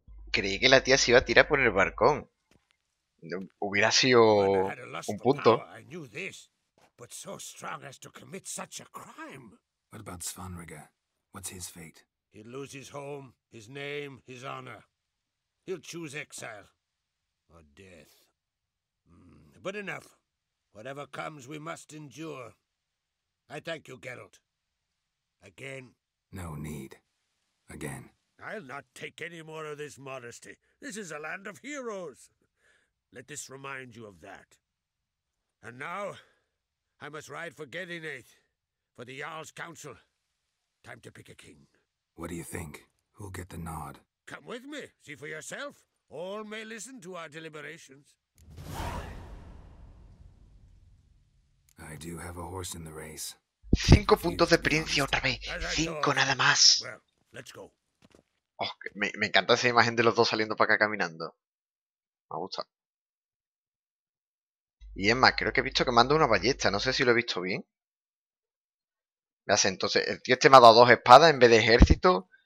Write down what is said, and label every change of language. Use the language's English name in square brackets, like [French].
[Spanish] Creí que la tía se iba a tirar por el balcón. Hubiera sido un punto. [English] I knew this, but so strong as to commit such a crime. What about Svanrige? What's his fate? He'll lose his home, his name, his honor. He'll choose exile or death. But enough. Whatever comes, we must endure. I thank you, Geralt. Again. No need. Again. I'll not take any more of this modesty. This is a land of heroes. Let this remind you of that. And now, I must ride for Gedinaith, for the Jarl's Council. Time to pick a king. What do you think? Who'll get the nod? Come with me. See for yourself. All may listen to our deliberations. I do have a horse in the race. [Spanish] 5 puntos de experiencia otra vez. 5 nada más. [English] Well, let's go. [Spanish] Oh, me encanta esa imagen de los dos saliendo para acá caminando. Me gusta. Y es más, creo que he visto que manda una ballesta. No sé si lo he visto bien. Ya sé, entonces el tío este me ha dado 2 espadas en vez de ejército.